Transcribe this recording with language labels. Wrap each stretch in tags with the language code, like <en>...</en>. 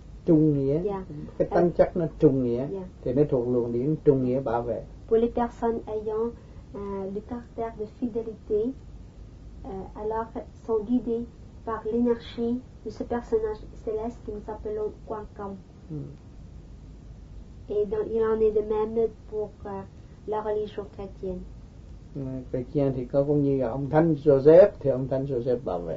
<vi>Trung nghĩa, cái tâm chất nó trung nghĩa, thì nó thuộc luồng điện trung nghĩa bảo vệ.</vi> <fr>Pour les personnes ayant le caractère de fidélité, alors sont guidées par l'énergie de ce personnage céleste que nous appelons Quantum. Mm. Et donc, il en est de même pour la religion chrétienne.</fr> <vi>Chrétienne, thì có cũng như ông Thánh Joseph, thì ông Thánh Joseph bảo vệ.</vi>